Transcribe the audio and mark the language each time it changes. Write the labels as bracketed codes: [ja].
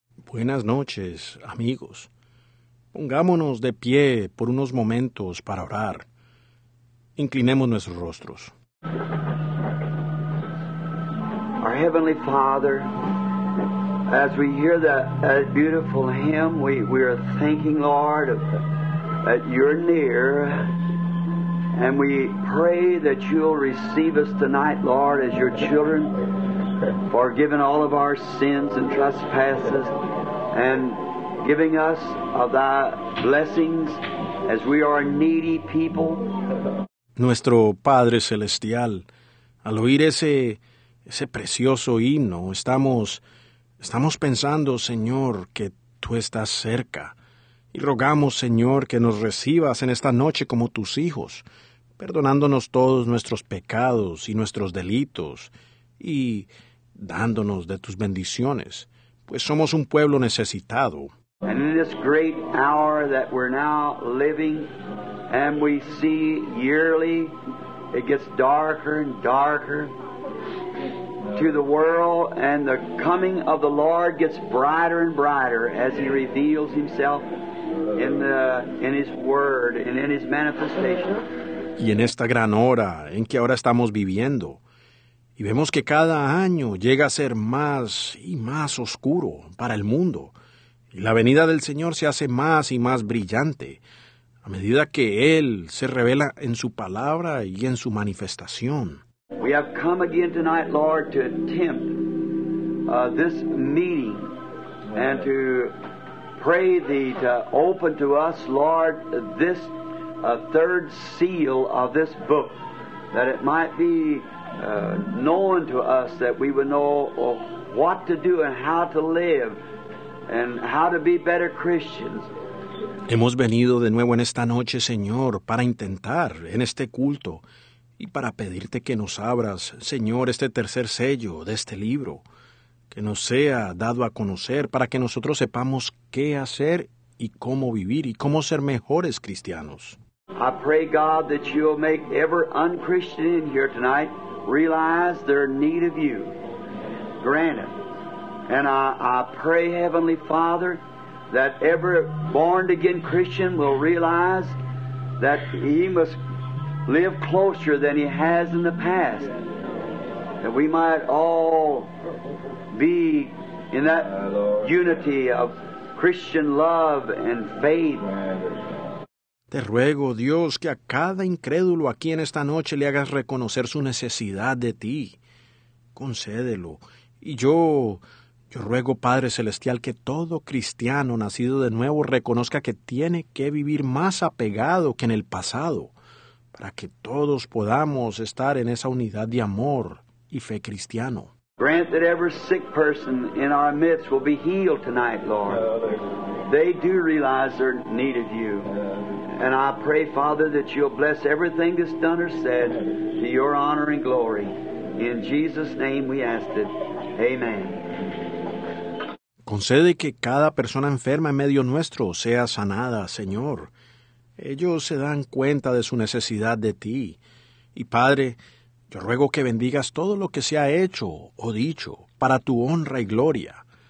[es] Buenas noches, amigos. Pongámonos de pie por unos momentos para orar. Inclinemos nuestros rostros. [en] Our Heavenly Father, as we hear that beautiful hymn, we are thanking, Lord, that you're near. And we pray that you'll receive us tonight, Lord, as your children, forgiving all of our sins and trespasses, and giving us of thy blessings as we are needy people. [es] Nuestro Padre Celestial, al oír ese precioso himno, estamos pensando, Señor, que tú estás cerca. Y rogamos, Señor, que nos recibas en esta noche como tus hijos, perdonándonos todos nuestros pecados y nuestros delitos, y dándonos de tus bendiciones, pues somos un pueblo necesitado. [en] And in this great hour that we're now living, and we see yearly, it gets darker and darker to the world, and the coming of the Lord gets brighter and brighter as he reveals himself in his word and in his manifestation. [es] Y en esta gran hora en que ahora estamos viviendo, y vemos que cada año llega a ser más y más oscuro para el mundo, y la venida del Señor se hace más y más brillante a medida que Él se revela en su palabra y en su manifestación. [en] We have come again tonight, Lord, to attempt this meeting and to pray thee to open to us, Lord, this third seal of this book, that it might be known to us, that we would know what to do and how to live and how to be better Christians. [es] Hemos venido de nuevo en esta noche, Señor, para intentar en este culto y para pedirte que nos abras, Señor, este tercer sello de este libro, que nos sea dado a conocer para que nosotros sepamos qué hacer y cómo vivir y cómo ser mejores cristianos. [en] I pray, God, that you'll make every unchristian in here tonight realize their need of you. Grant it. And I pray, Heavenly Father, that every born-again Christian will realize that he must live closer than he has in the past, that we might all be in that unity of Christian love and faith. [es] Te ruego, Dios, que a cada incrédulo aquí en esta noche le hagas reconocer su necesidad de ti. Concédelo. Y yo ruego, Padre Celestial, que todo cristiano nacido de nuevo reconozca que tiene que vivir más apegado que en el pasado, para que todos podamos estar en esa unidad de amor y fe cristiano. [en] Grant that every sick person in our midst will be healed tonight, Lord. They do realize their need of you. And I pray, Father, that you'll bless everything that's done or said to your honor and glory. In Jesus' name we ask it. Amen. [es] Concede que cada persona enferma en medio nuestro sea sanada, Señor. Ellos se dan cuenta de su necesidad de ti. Y, Padre, yo ruego que bendigas todo lo que se ha hecho o dicho para tu honra y gloria.